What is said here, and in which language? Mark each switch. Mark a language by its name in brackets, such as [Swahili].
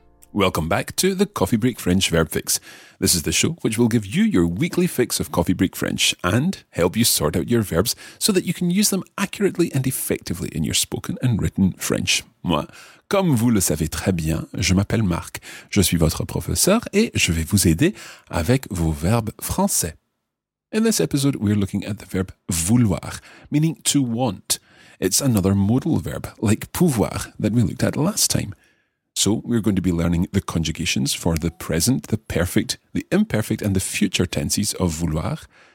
[English] Welcome back to the Coffee Break French Verb Fix. This is the show which will give you your weekly fix of Coffee Break French and help you sort out your verbs so that you can use them accurately and effectively in your spoken and written French. [French] Moi, comme vous le savez très bien, je m'appelle Marc. Je suis votre professeur et je vais vous aider avec vos verbes français. [English] In this episode, we're looking at the verb vouloir, meaning to want. It's another modal verb, like pouvoir, that we looked at last time. So we're going to be learning the conjugations for the present, the perfect, the imperfect, and the future tenses of vouloir.